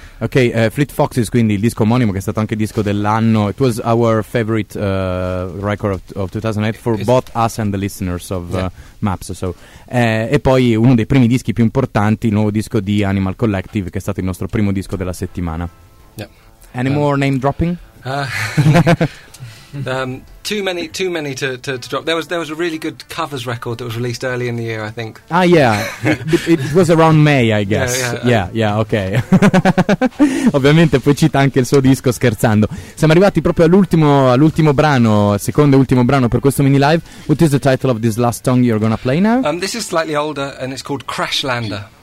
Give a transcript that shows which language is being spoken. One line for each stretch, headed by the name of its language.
Italian: Okay, Fleet Foxes, quindi il disco omonimo che è stato anche disco dell'anno.
English: It was our favorite record of 2008 for both us and the listeners of Maps.
Italian: So e poi uno dei primi dischi più importanti, il nuovo disco di Animal Collective, che è stato il nostro primo disco della settimana.
English: Yeah. Any more name dropping? Too many to drop. There was a really good covers record that was released early in the year, I think. Ah, yeah. it was around May, I guess. Yeah, okay.
Italian: Ovviamente poi cita anche il suo disco scherzando. Siamo arrivati proprio all'ultimo brano, secondo e ultimo brano per questo mini live.
English: What is the title of this last song you're going to play now? This is slightly older and it's called Crashlander.